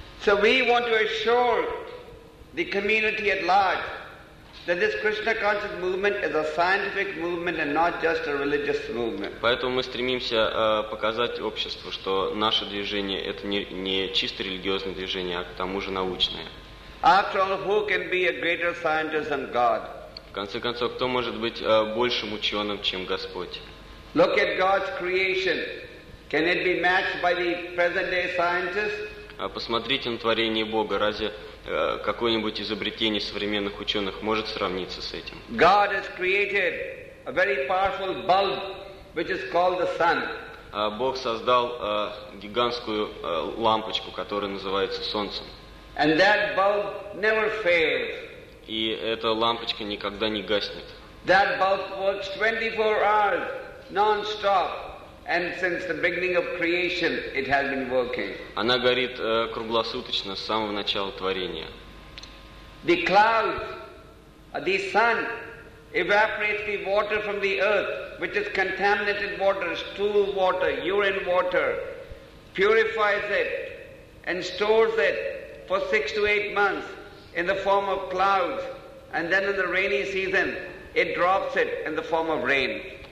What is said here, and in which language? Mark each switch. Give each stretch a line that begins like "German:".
English: So we want to assure the community at large that this Krishna conscious movement is a scientific movement and not just a religious movement.
Russian: Поэтому мы стремимся показать обществу, что наше движение это не чисто религиозное движение, а к тому же научное.
English: After all, who can be a greater scientist than God?
Russian: В конце концов, кто может быть большим ученым, чем Господь?
English: Look at God's creation. Can it be matched by the present-day scientists?
Russian: Посмотрите на творение Бога. Разве какое-нибудь изобретение современных ученых может сравниться с этим?
English: God has created a very powerful bulb, which is called the sun.
Russian: Бог создал гигантскую лампочку, которая называется солнцем.
English: And that bulb never fails.
Russian: И эта лампочка никогда не гаснет.
English: That bulb works 24 hours non-stop, and since the beginning of creation, it has been working.
Russian: Она горит круглосуточно с самого начала творения.
English: The clouds, the sun, evaporates the water from the earth, which is contaminated water, stool water, urine water, purifies it and stores it for 6 to 8 months. In the form of clouds, and then in the rainy season, it drops it in the form of rain.